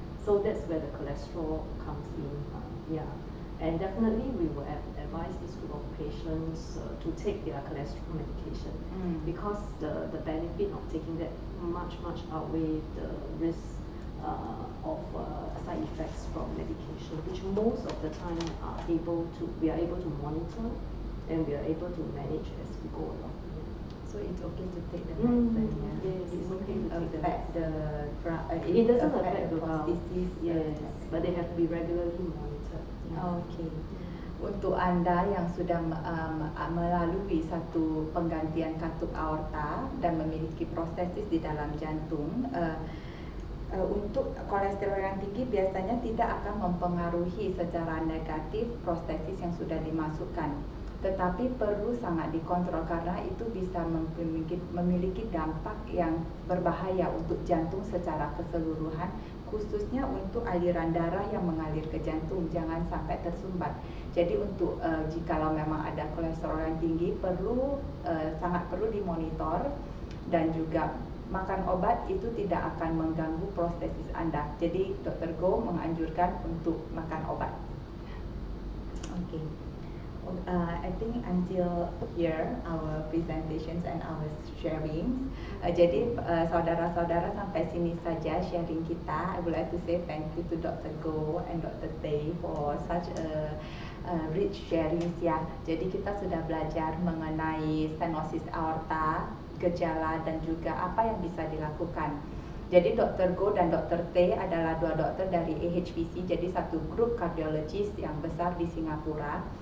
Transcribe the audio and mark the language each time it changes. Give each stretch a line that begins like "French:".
English: So that's where the cholesterol comes in. And definitely we will advise this group of patients to take their cholesterol medication because the benefit of taking that much outweigh the risk of side effects from medication, which most of the time we are able to monitor and we are able to manage as we go along. So it's okay to take the medicine. Yes, it's okay to affect take the drug. It doesn't affect the valve. Yes, the but they have to be regularly monitored. Yeah. Okay.
Indonesian: Untuk Anda yang sudah melalui satu penggantian katup aorta dan memiliki prosthesis di dalam jantung, untuk kolesterol yang tinggi biasanya tidak akan mempengaruhi secara negatif prosthesis yang sudah dimasukkan. Tetapi perlu sangat dikontrol karena itu bisa memiliki dampak yang berbahaya untuk jantung secara keseluruhan, khususnya untuk aliran darah yang mengalir ke jantung, jangan sampai tersumbat. Jadi untuk jikalau memang ada kolesterol yang tinggi, sangat perlu dimonitor dan juga makan obat itu tidak akan mengganggu prosthesis Anda. Jadi Dr. Goh menganjurkan untuk makan obat. Oke. Okay.
English: I think until here our presentations and our sharings.
Indonesian: Jadi saudara-saudara sampai sini saja sharing kita.
English: I would like to say thank you to Dr. Go and Dr. Tay for such a rich sharings ya.
Indonesian: Jadi kita sudah belajar mengenai stenosis aorta, gejala dan juga apa yang bisa dilakukan. Jadi Dr. Go dan Dr. T adalah dua dokter dari AHPC, jadi satu grup kardiologis yang besar di Singapura.